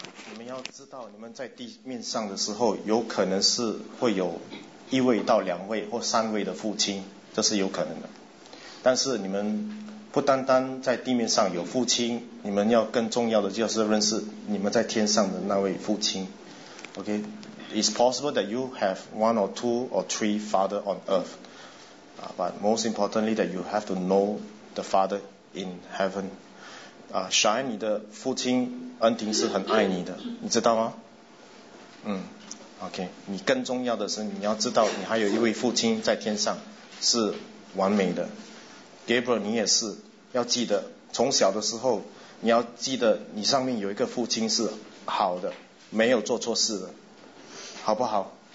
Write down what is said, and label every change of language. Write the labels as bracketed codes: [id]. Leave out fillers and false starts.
[zh] 你们要知道，你们在地面上的时候，有可能是会有一位到两位或三位的父亲，这是有可能的。但是你们不单单在地面上有父亲，你们要更重要的就是认识你们在天上的那位父亲。 [en] OK, it's possible that you have one or two or three father on earth, but most importantly that you have to know the father in heaven. [zh] 小安，你的父亲恩婷是很爱你的，你知道吗？ OK, 你更重要的是你要知道你还有一位父亲在天上是完美的。 Gabriel, 你也是要记得，从小的时候你要记得你上面有一个父亲是好的，没有做错事的，好不好？